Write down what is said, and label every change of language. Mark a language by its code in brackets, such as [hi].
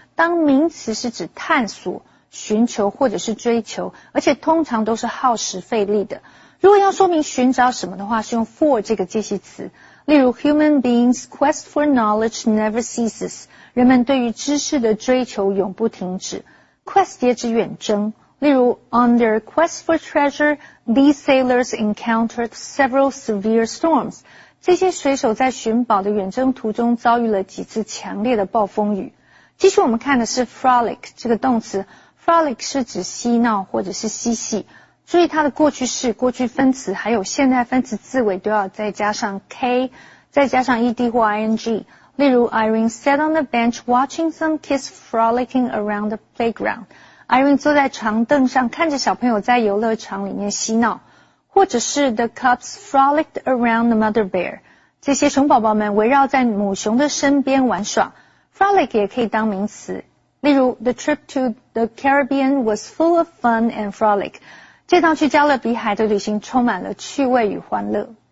[zh] 当名词是指探索、寻求或者是追求，而且通常都是耗时费力的。如果要说明寻找什么的话，是用 for 这个介系词。例如 [en] ，Human beings' quest for knowledge never ceases. [zh] 人们对于知识的追求永不停止。 Quest 也指远征。例如 [en] ，On their quest for treasure, these sailors encountered several severe storms. [zh] 这些水手在寻宝的远征途中遭遇了几次强烈的暴风雨。继续我们看的是 frolic 这个动词。frolic 是指嬉闹或者是嬉戏。注意它的过去式、过去分词还有现在分词字尾都要再加上 k, 再加上 ed 或 ing。例如 [en] Irene sat on the bench watching some kids frolicking around the playground。 [zh] Irene 坐在长凳上看着小朋友在游乐场里面嬉闹。或者是 [en] The cubs frolicked around the mother bear. [zh] 这些熊宝宝们围绕在母熊的身边玩耍。 Frolic 也可以当名词。例如 [en] The trip to the Caribbean was full of fun and frolic. [zh] 这趟去加勒比海的旅行充满了趣味与欢乐。